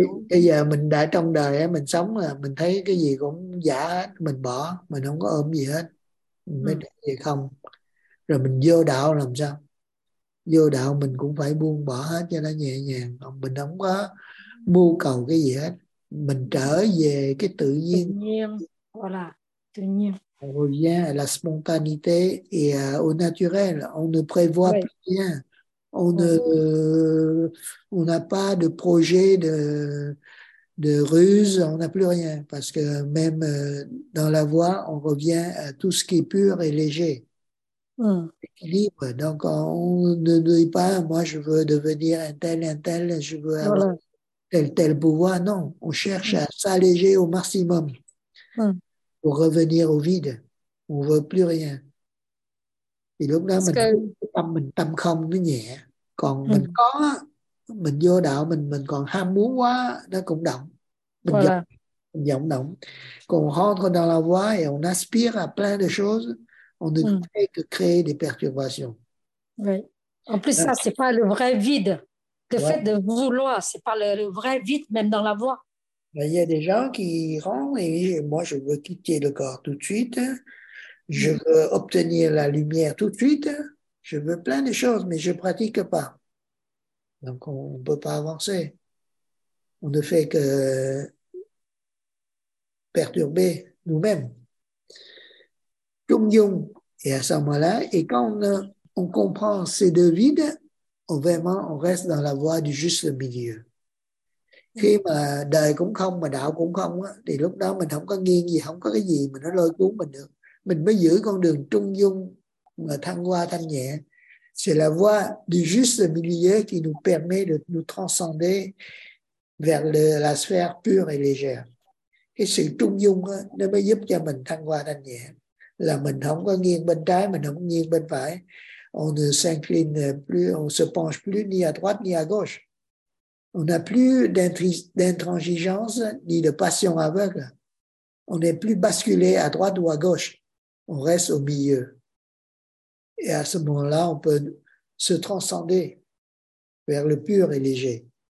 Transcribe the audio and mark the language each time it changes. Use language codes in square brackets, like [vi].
[vi] Bây giờ mình đã trong đời mình sống, mình thấy cái gì cũng giả, mình bỏ, mình không có ôm gì hết, mình mới để gì không. Rồi mình vô đạo làm sao? Vô đạo mình cũng phải buông bỏ hết cho nó nhẹ nhàng. Mình không có mưu cầu cái gì hết. Mình trở về cái tự nhiên. Tự nhiên. [fr] On revient à la spontanéité et au naturel. On ne prévoit plus rien. On n'a pas de projet de ruse. On n'a plus rien. Parce que même dans la voie, on revient à tout ce qui est pur et léger. Équilibre. Donc on ne dit pas moi je veux devenir un tel, je veux avoir tel pouvoir. Non, on cherche à s'alléger au maximum pour revenir au vide. On veut plus rien. [vi] Et lúc đó mình tâm không nó nhẹ. Còn mình có, mình vô đạo mình còn ham muốn quá nó cũng động. Mình vọng động. [fr] Còn rentre dans la voie, on aspire à plein de choses. On ne fait que créer des perturbations. Oui. En plus, ça, ce n'est pas le vrai vide. Le fait de vouloir, ce n'est pas le vrai vide, même dans la voie. Il y a des gens qui iront et disent, moi, je veux quitter le corps tout de suite. Je veux obtenir la lumière tout de suite. Je veux plein de choses, mais je ne pratique pas. Donc, on ne peut pas avancer. On ne fait que perturber nous-mêmes. Trung dung, et à ce moment-là, et quand on comprend ces deux vides, vraiment, on reste dans la voie du juste milieu. [vi] Khi mà đời cũng không, mà đạo cũng không, thì lúc đó mình không có nghiêng gì, không có cái gì mà nó lôi cuốn mình được. Mình mới giữ con đường trung dung, mà thăng hoa thanh nhẹ. [fr] C'est la voie du juste milieu qui nous permet de nous transcender vers la sphère pure et légère. [vi] Cái sự trung dung, nó mới giúp cho mình thăng hoa thanh nhẹ. Là mình không có nghiêng bên trái, mình không nghiêng bên phải. [fr] On ne s'incline plus, on se penche plus ni à droite ni à gauche. On n'a plus d'intransigeance ni de passion aveugle. On n'est plus basculé à droite ou à gauche. On reste au milieu. Et à ce moment-là, on peut se transcender vers le pur et léger.